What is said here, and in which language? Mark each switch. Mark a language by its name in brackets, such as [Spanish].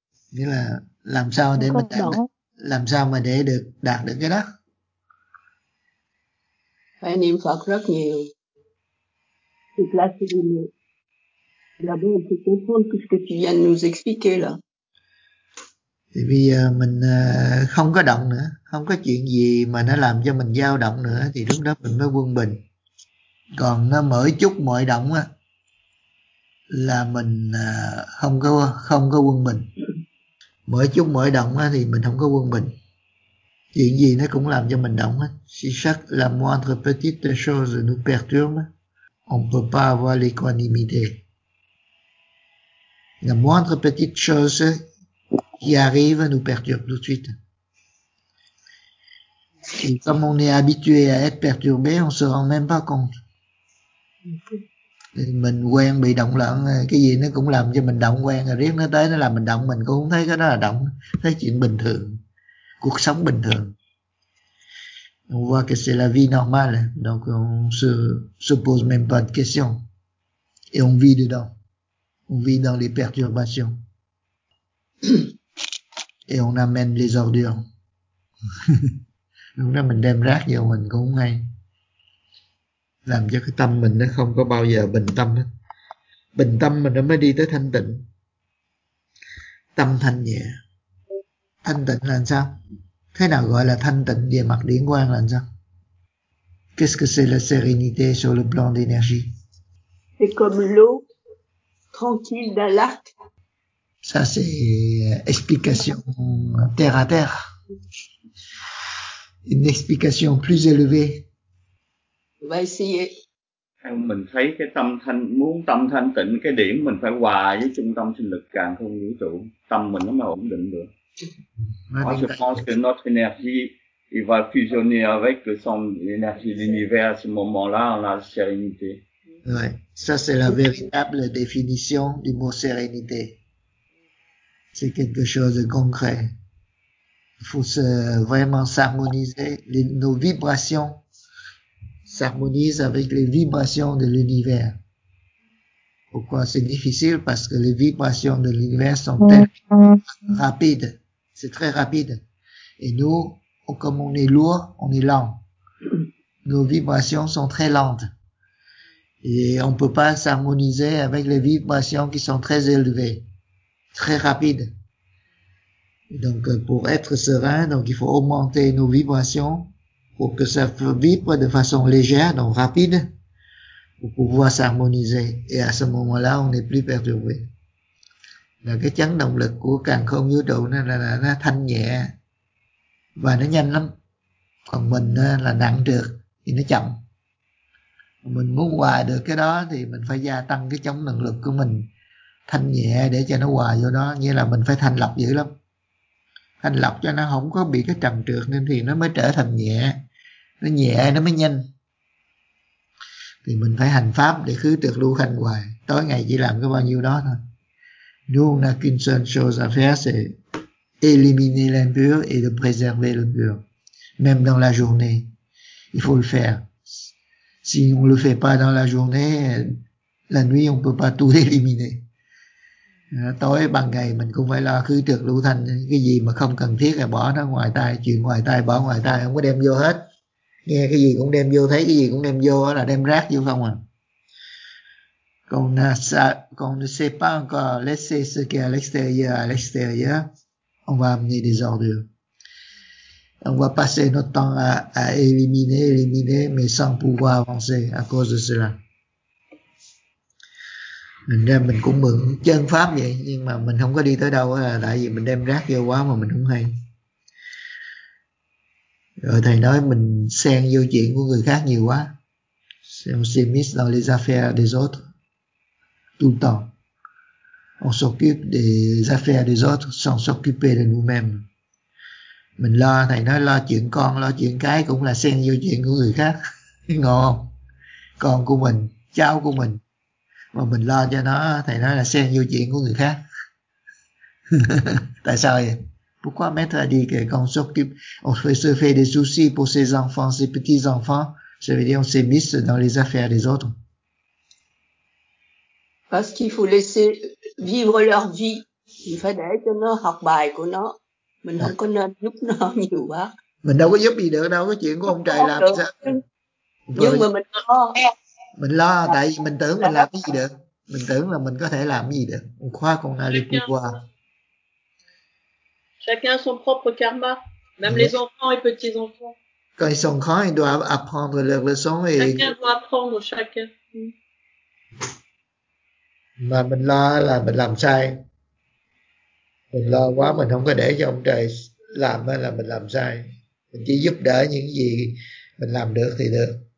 [Vietnamese] Nghĩa là làm sao để mình đạt được cái đó? Phải niệm Phật rất nhiều. Thực là sự niệm. Là bây giờ tôi [French] comprends tout ce que tu viens de nous expliquer là. [Vietnamese] Thì bây giờ mình không có động nữa, không có chuyện gì mà nó làm cho mình dao động nữa thì lúc đó mình mới quân bình. Còn nó mở chút mọi động á, là mình không có quân bình. Mỗi chút mỗi động thì mình không có quân bình. Chuyện gì nó cũng làm cho mình động hết. [French] Si chaque la moindre petite chose nous perturbe, on peut pas avoir l'équanimité. La moindre petite chose qui arrive nous perturbe tout de suite. Et comme on est habitué à être perturbé, on se rend même pas compte. [Vietnamese] Mình quen bị động loạn, cái gì nó cũng làm cho mình động quen, rồi riết nó tới nó làm mình động, mình cũng không thấy cái đó là động, thấy chuyện bình thường, cuộc sống bình thường. [French] On voit que c'est la vie normale, donc on se pose même pas de questions. Et on vit dedans, on vit dans les perturbations. Et on amène les ordures. [Vietnamese] Lúc đó mình đem rác vô mình cũng không hay. Làm cho cái tâm mình nó không có bao giờ bình tâm hết. Bình tâm mình nó mới đi tới thanh tịnh. Tâm thanh nhẹ. Thanh tịnh là sao? Thế nào gọi là thanh tịnh về mặt điển quang là sao? [French] Qu'est-ce que c'est la sérénité sur le plan d'énergie? C'est comme l'eau tranquille d'un lac. Ça c'est explication terre à terre. Une explication plus élevée. [Vietnamese] Theo mình thấy cái tâm thanh, muốn tâm thanh tịnh, cái điểm mình phải hòa với trung tâm sinh lực càng không vũ trụ, tâm mình nó mới ổn định được. [French] Moi, je pense que notre énergie, il va fusionner avec le centre d'énergie de l'univers à ce moment-là, on a la sérénité. Ouais. Ça, c'est la véritable définition du mot sérénité. C'est quelque chose de concret. Il faut vraiment s'harmoniser. Nos vibrations s'harmonisent avec les vibrations de l'univers. Pourquoi c'est difficile? Parce que les vibrations de l'univers sont tellement rapides. C'est très rapide. Et nous, comme on est lourd, on est lent. Nos vibrations sont très lentes. Et on peut pas s'harmoniser avec les vibrations qui sont très élevées, très rapides. Et donc, pour être serein, donc il faut augmenter nos vibrations pour que ça vibre de façon légère, donc rapide, pour pouvoir s'harmoniser. Et à ce moment-là, on n'est plus perturbé. [Vietnamese] Là, cái chấn động lực của càng không vũ trụ nó thanh nhẹ và nó nhanh lắm. Còn mình là nặng trược thì nó chậm. Mình muốn hòa được cái đó thì mình phải gia tăng cái chống năng lực của mình thanh nhẹ để cho nó hòa vô đó, nghĩa là mình phải thanh lọc dữ lắm, thanh lọc cho nó không có bị cái trầm trược nên thì nó mới trở thành nhẹ, nó nhẹ nó mới nhanh. Thì mình phải hành pháp để khứ trược lưu hành hoài, tối ngày chỉ làm có bao nhiêu đó thôi. [French] Nous on a qu'une seule chose à faire, c'est éliminer l'impur et de préserver le pur, même dans la journée il faut le faire. Si on le fait pas dans la journée, la nuit on peut pas tout éliminer. [Vietnamese] Tối bằng ngày mình cũng phải lo khứ trược lưu thanh, cái gì mà không cần thiết là bỏ nó ngoài tai, chuyện ngoài tai bỏ ngoài tai, không có đem vô hết. Nghe cái gì cũng đem vô, thấy cái gì cũng đem vô là đem rác vô không à. [French] Qu'on ne sait pas encore laisser ce qui est à l'extérieur, on va amener des ordures. On va passer notre temps à éliminer, éliminer, mais sans pouvoir avancer à cause de cela. [Vietnamese] Mình ra mình cũng mượn chân pháp vậy, nhưng mà mình không có đi tới đâu là tại vì mình đem rác vô quá mà mình không hay. Rồi thầy nói mình xen vô chuyện của người khác nhiều quá. On se mise dans les affaires des autres tout le temps. On s'occupe des affaires des autres sans s'occuper de nous-mêmes. Mình lo, thầy nói lo chuyện con, lo chuyện cái cũng là xen vô chuyện của người khác. Ngon không? Con của mình, cháu của mình. Mà mình lo cho nó, thầy nói là xen vô chuyện của người khác. Tại sao vậy? [French] Pourquoi mettre à dire que quand on s'occupe, on se fait des soucis pour ses enfants, ses petits-enfants, ça veut dire on s'est mis dans les affaires des autres. Parce qu'il faut laisser vivre leur vie. Il faut [Vietnamese] để cho nó học bài của nó. Mình không có nên giúp nó nhiều quá. Mình đâu có giúp gì được đâu, cái chuyện của ông trời làm sao. Nhưng mà mình lo. Mình lo tại vì mình tưởng mình làm cái gì được. Mình tưởng là mình có thể làm cái gì được. [French] On croit qu'on a le pouvoir. Chacun son propre karma. Même les enfants et petits-enfants. Quand ils sont grands, ils doivent apprendre leurs leçons. Et... Chacun doit apprendre, chacun. [Vietnamese] Mà mình lo là mình làm sai. Mình lo quá, mình không có để cho ông trời làm là mình làm sai. Mình chỉ giúp đỡ những gì mình làm được thì được.